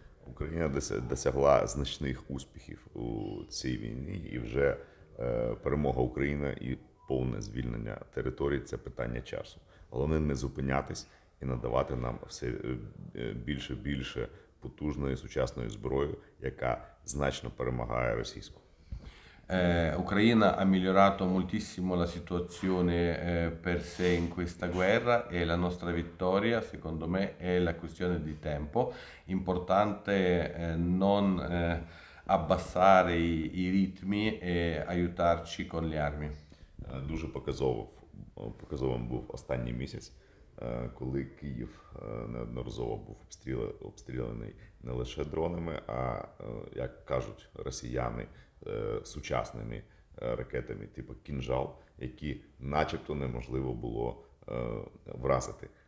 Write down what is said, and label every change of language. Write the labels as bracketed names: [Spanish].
[Ukrainian] Україна досягла значних успіхів у цій війні і вже перемога України і повне звільнення територій – це питання часу. Головне – не зупинятись і надавати нам все більше і більше потужної сучасної зброї, яка значно перемагає російську. [Italian] Ucraina ha migliorato moltissimo la situazione per sé in questa guerra e la nostra vittoria, secondo me, è la questione di tempo. Importante non abbassare i ritmi e aiutarci con le armi. [Ukrainian] Дуже показовим був останній місяць, коли Київ неодноразово був обстріляний не лише дронами, а, як кажуть росіяни, сучасними ракетами типу «Кінжал», які начебто неможливо було вразити.